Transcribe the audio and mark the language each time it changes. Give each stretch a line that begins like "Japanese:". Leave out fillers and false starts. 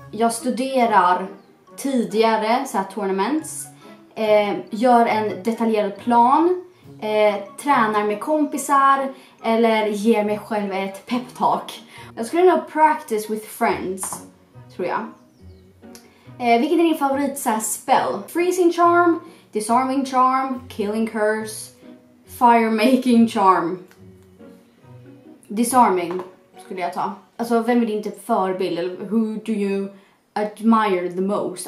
Swedish: Jag studerar tidigare så här tournaments. Gör en detaljerad plan. Tränar med kompisar. Eller ger mig själv ett pep-talk. Jag skulle nog
English: practice with friends,
Swedish: tror jag. Vilket är din favorit så här spell?
English: Freezing charm, disarming charm, killing curse, fire making charm.
Swedish: Disarming skulle jag ta. Alltså vem är din typ förebild? Eller
English: who do you admire the most?